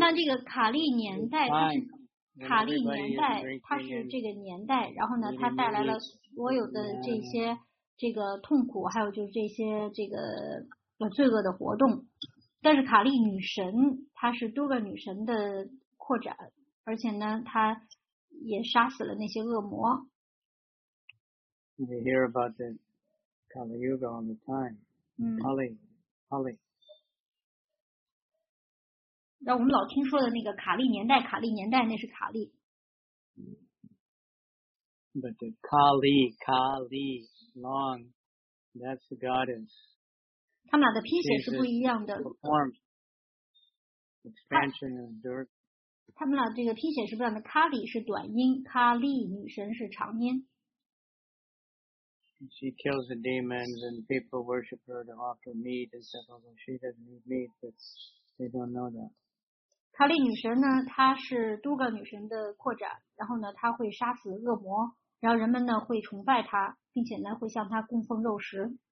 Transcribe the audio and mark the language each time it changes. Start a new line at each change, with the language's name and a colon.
Chinese: 那这个卡利年代它是卡利年代，它是这个年代，然后呢，它带来了所有的这些这个痛苦，还有就是这些这个罪恶的活动。但是卡利女神，她是多个女神的扩展，而且呢，她也杀死了那些恶魔。
English: You hear about the Kali Yuga all the time. Kali, Kali.
Chinese: 那我们老听说的那个卡利年代，卡利年代那是卡利。
English: But the Kali, Kali, long, that's the goddess.
Chinese: 他们俩的拼写是不一样的。
English: Expansion of dirt.
Chinese: 他们俩这个拼写是不一样的。 Kali 是短音，Kali 女神是长音。
English: She kills the demons and people worship her to offer meat and stuff. Although she doesn't need meat, but they don't know that.
Chinese: 卡利女神呢，她是多个女神的扩展，然后呢，她会杀死恶魔，然后人们呢会崇拜她，并且呢会向她供奉肉食。